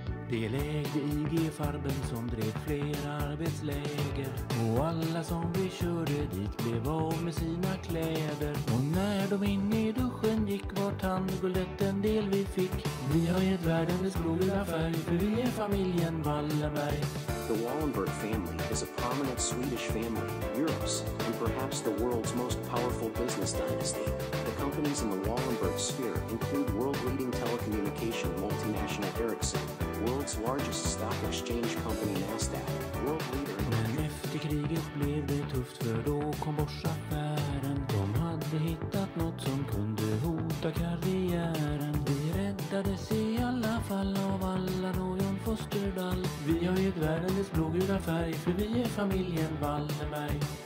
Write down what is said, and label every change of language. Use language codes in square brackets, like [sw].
[sv] Det lägde IG Farben som drev flera arbetsläger. Och alla som vi körde dit blev av med sina kläder. Och när de in i duschen gick, var tandguldet en del vi fick. Vi har gett världen dess blågula färg, för vi är familjen Wallenberg. [en] The Wallenberg family is a prominent Swedish family, Europe's and perhaps the world's most powerful business dynasty. The companies in the Wallenberg sphere include world-leading telecommunication multinational Ericsson, world's largest stock exchange company Nasdaq, world leader in... [sv] Men efter kriget blev det tufft, för då kom Bosch-affären. De hade hittat något som kunde hota karriären. Vi räddades i alla fall av alla rojon Fosterdall. Vi har gett världen dess blågula färg, för vi är familjen Wallenberg.